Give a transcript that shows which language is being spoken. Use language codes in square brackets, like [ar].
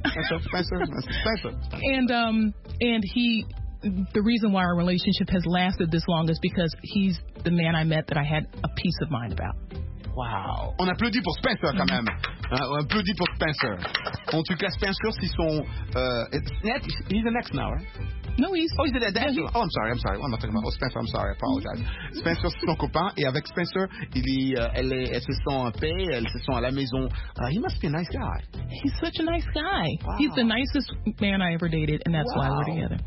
[en] And he, the reason why our relationship has lasted this long is because he's the man I met that I had a peace of mind about. [fr] Wow. On applaudit pour Spencer quand même. On applaudit pour Spencer. En tout cas, Spencer, c'est son... [en] he's an ex now, right? No, he's... Oh, he's a dead end. Oh, I'm sorry. I'm not talking about Spencer. I'm sorry. I apologize. [fr] Spencer, c'est son copain. Et avec Spencer, elle se sent en paix. Elle se sent à la maison. [en] He must be a nice guy. He's such a nice guy. Wow. He's the nicest man I ever dated, and that's why we're together.